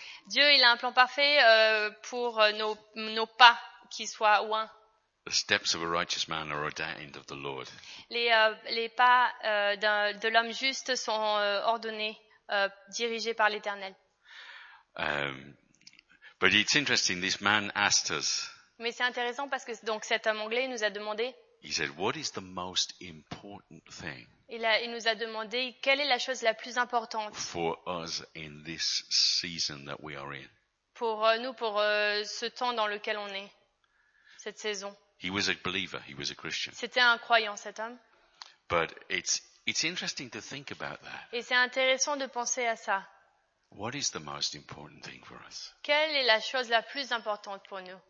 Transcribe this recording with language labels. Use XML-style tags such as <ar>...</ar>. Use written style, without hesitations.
<fr>Dieu, il a un plan parfait pour nos pas qui soient oints.</fr> <en>The steps of a righteous man are ordained of the Lord.</en> <fr>Les pas de l'homme juste sont ordonnés, dirigés par l'Éternel.</fr> <en>But it's interesting. This man asked us.</en> <fr>Mais c'est intéressant parce que donc cet homme anglais nous a demandé.</fr> <en>He said, "What is the most important thing?"</en> <fr>Il nous a demandé quelle est la chose la plus importante.</fr> <en>For us in this season that we are in.</en> <fr>Pour nous, pour ce temps dans lequel on est, cette saison.</fr> <en>He was a believer. He was a Christian.</en> <fr>C'était un croyant, cet homme.</fr> <en>But it's interesting to think about that.</en> <fr>Et c'est intéressant de penser à ça.</fr> <en>What is the most important thing for us?</en> <fr>Quelle est la chose la plus importante pour nous?</fr>